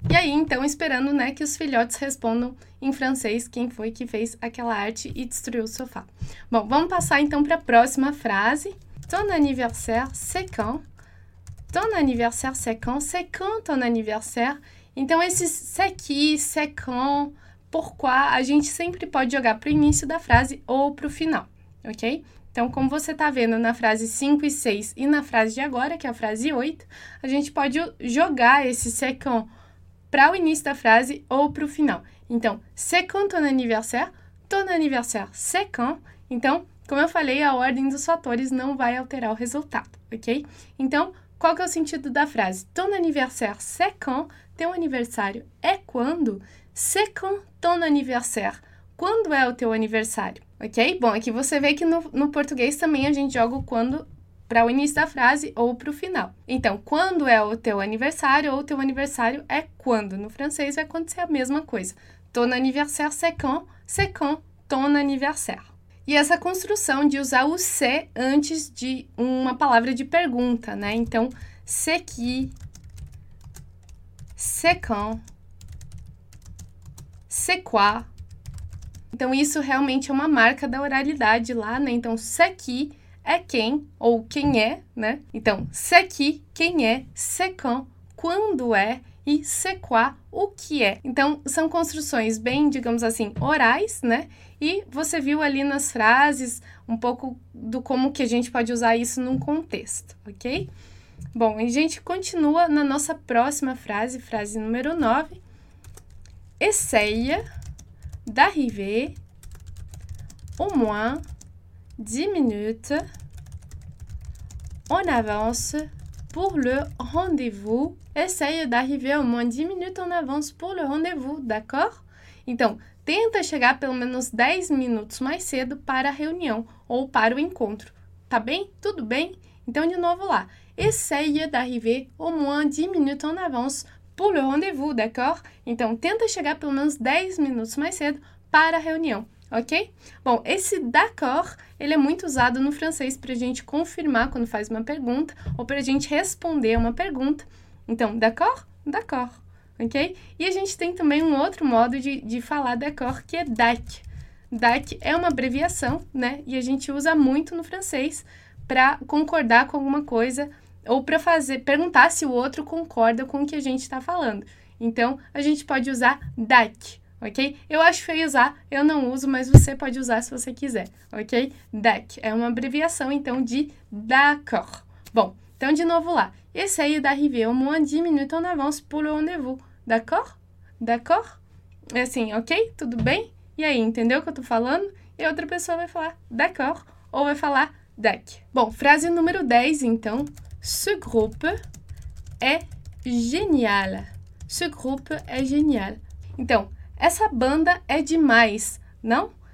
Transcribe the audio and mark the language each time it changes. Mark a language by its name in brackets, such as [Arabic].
[Portuguese] E aí, então, esperando, né, que os filhotes respondam em francês quem foi que fez aquela arte e destruiu o sofá. Bom, vamos passar então para a próxima frase. [French] Ton anniversaire, c'est quand? Ton anniversaire, c'est quand? C'est quand ton anniversaire? [Portuguese] Então, esse c'est qui, c'est quand, pourquoi, a gente sempre pode jogar para o início da frase ou para o final, ok? Então, como você está vendo na frase 5 e 6 e na frase de agora, que é a frase 8, a gente pode jogar esse c'est quand para o início da frase ou para o final. [French] Então, c'est quand ton anniversaire, c'est quand. [Portuguese] Então, como eu falei, a ordem dos fatores não vai alterar o resultado, ok? Então, qual que é o sentido da frase? [French] Ton anniversaire, c'est quand? [Portuguese] Teu aniversário é quando? [French] C'est quand ton anniversaire? [Portuguese] Quando é o teu aniversário? Ok? Bom, aqui você vê que no português também a gente joga o quando para o início da frase ou para o final. Então, quando é o teu aniversário ou o teu aniversário é quando? No francês vai acontecer a mesma coisa. [French] Ton anniversaire, c'est quand ton anniversaire. [Portuguese] E essa construção de usar o c'est antes de uma palavra de pergunta, né? [French] Então, c'est qui, c'est quand, c'est quoi. [Portuguese] Então, isso realmente é uma marca da oralidade lá, né? Então, c'est qui é quem ou quem é, né? Então, c'est qui, quem é, c'est quand, quando é e c'est quoi, o que é. Então, são construções bem, digamos assim, orais, né? E você viu ali nas frases um pouco do como que a gente pode usar isso num contexto, ok? Bom, a gente continua na nossa próxima frase, frase número 9. [French] Essaya d'arriver au moins 10 minutes en avance pour le rendez-vous. Essaye d'arriver au moins 10 minutes en avance pour le rendez-vous, d'accord? [Portuguese] Então, tenta chegar pelo menos 10 minutos mais cedo para a reunião ou para o encontro, tá bem? Tudo bem? Então, de novo lá. [French] Essaye d'arriver au moins 10 minutes en avance pour le rendez-vous, d'accord? [Portuguese] Então, tenta chegar pelo menos 10 minutos mais cedo para a reunião, ok? Bom, esse d'accord, ele é muito usado no francês para a gente confirmar quando faz uma pergunta ou para a gente responder uma pergunta. Então, d'accord? D'accord, ok? E a gente tem também um outro modo de falar d'accord, que é d'ac. D'ac é uma abreviação, né? E a gente usa muito no francês para concordar com alguma coisa ou para fazer perguntar se o outro concorda com o que a gente está falando. Então, a gente pode usar d'ac, ok? Eu acho feio usar, eu não uso, mas você pode usar se você quiser, ok? D'ac é uma abreviação, então, de d'accord. Bom, então, de novo lá. [French] Essaye d'arriver au moins 10 minutes en avance pour le rendez-vous, d'accord? [Portuguese] D'accord? É assim, ok? Tudo bem? E aí, entendeu o que eu tô falando? E a outra pessoa vai falar d'accord ou vai falar d'ac. Bom, frase número 10, então. [French] Ce groupe est génial. Ce groupe est génial. [Portuguese] Então, essa banda é demais, não?